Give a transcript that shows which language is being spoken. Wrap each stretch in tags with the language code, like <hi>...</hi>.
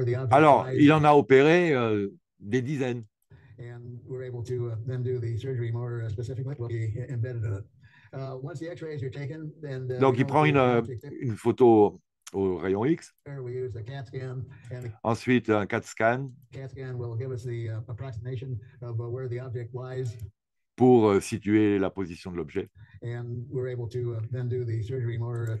<fr>Alors il en a opéré des dizaines.</fr> <en>And we're able to then do the surgery more specifically. We'll be embedded in it. Once the X-rays are taken, then</en> <fr>donc il prend une photo au rayon X.</fr> <en>We use a CAT scan.</en> <fr>Ensuite un CAT scan.</fr> <en>CAT scan will give us the approximation of where the object lies.</en> <fr>Pour situer la position de l'objet.</fr> <en>And we're able to then do the surgery more.</en>